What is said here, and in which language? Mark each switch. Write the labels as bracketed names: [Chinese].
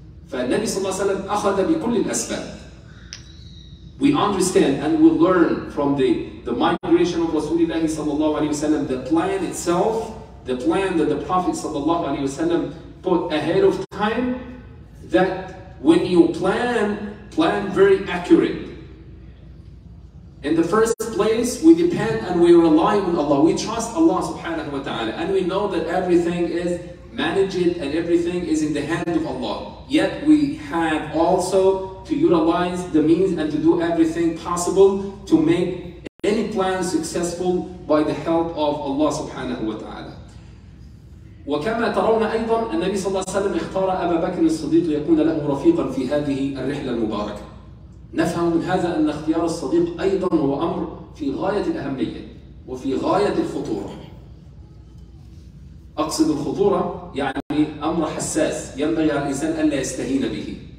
[Arabic] فالنبي صلى الله عليه وسلم أخذ بكل الأسباب. [English] We understand and we learn from the migration of Rasulullah sallallahu alayhi wa sallam, the plan itself, the plan that the Prophet sallallahu alayhi wa sallam put ahead of time, that when you plan very accurate. In the first place, we depend and we rely on Allah. We trust Allah subhanahu wa ta'ala, and we know that everything is managed and everything is in the hand of Allah. Yet we have also to utilize the means and to do everything possible to make any plan successful by the help of Allah subhanahu wa ta'ala. [Arabic] وكما ترون أيضا النبي صلى الله عليه وسلم اختار أبا بكر الصديق ليكون له رفيقا في هذه الرحلة المباركة. نفهم من هذا أن اختيار الصديق أيضا هو أمر في غاية الأهمية وفي غاية الخطورة. أقصد الخطورة يعني أمر حساس ينبغي على الإنسان أن لا يستهين به.